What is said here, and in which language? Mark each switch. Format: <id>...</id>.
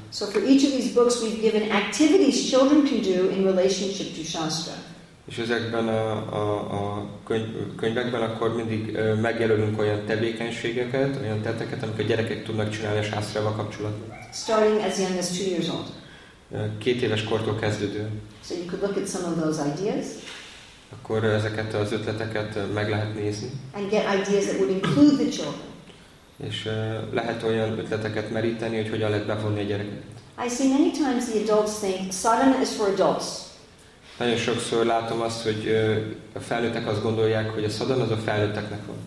<en>So for each of these books we've given activities children can do in relationship to Shastra.</en> <hu>És ezekben a könyvekben akkor mindig megjelölünk olyan tevékenységeket, olyan tetteket, amiket a gyerekek tudnak csinálni a Shastrával kapcsolatban.</hu> <en>Starting as young as 2 years old.</en> <hu>2 éves kortól kezdődő.</hu> <en>So you could look at some of those ideas.</en> <hu>Akkor ezeket az ötleteket meg lehet nézni.</hu> <en>And get ideas that would include the children.</en> <hu>És lehet olyan ötleteket meríteni, hogy hogyan lehet bevonni a gyereket.</hu> <en>I see many times the adults think sadhana is for adults.</en> <hu>Nagyon sokszor látom azt, hogy a felnőttek azt gondolják, hogy a sadhana az a felnőtteknek van.</hu>